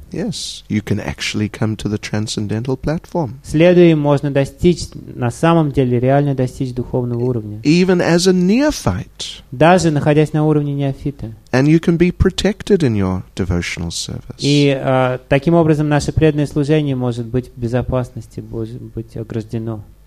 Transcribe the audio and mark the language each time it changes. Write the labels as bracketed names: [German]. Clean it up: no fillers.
[English] Yes, you can actually come to the transcendental platform. [Russian] Следуя им, можно достичь, на самом деле, реально достичь духовного уровня. [English] Even as a neophyte. [Russian] Даже находясь на уровне неофита. [English] And you can be protected in your devotional service. [Russian] И таким образом наше преданное служение может быть в безопасности, может быть ограждено.